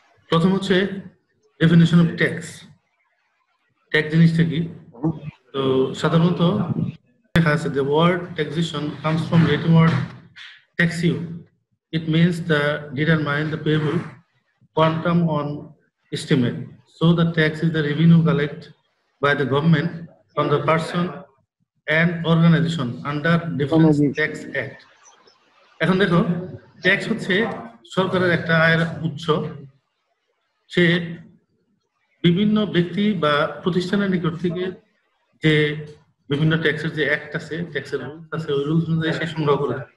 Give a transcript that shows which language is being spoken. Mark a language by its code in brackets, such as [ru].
[bn] প্রথম হচ্ছে [en] Definition of tax. [bn] Tax জিনিসটা কি? তো সাধারণত দেখা আছে [en] The word taxation comes from Latin word taxio, it means the determine the payable quantum on estimate. So the tax is the revenue collected by the government from the person and organization under different tax act. [bn] এখন দেখো, tax হচ্ছে সরকারের একটা আয়ের উৎস, সে বিভিন্ন ব্যক্তি বা প্রতিষ্ঠানের নিকট থেকে যে বিভিন্ন ট্যাক্সের যে অ্যাক্ট আছে, ট্যাক্সের রুলস আছে, ওই রুলস অনুযায়ী সে সংগ্রহ করে।